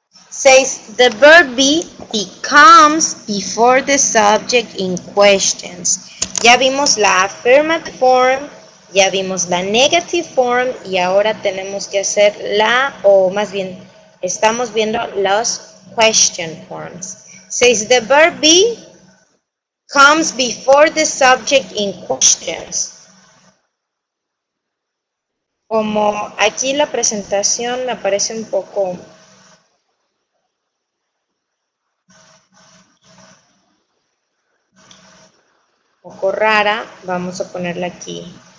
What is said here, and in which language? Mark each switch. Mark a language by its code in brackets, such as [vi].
[en] Says the verb be becomes before the subject in questions. [es] Ya vimos la affirmative form, ya vimos la negative form y ahora tenemos que hacer la, o más bien, estamos viendo los question forms. [en] Says the verb be comes before the subject in questions. [es] Como aquí la presentación me parece un poco... rara, vamos a ponerla aquí.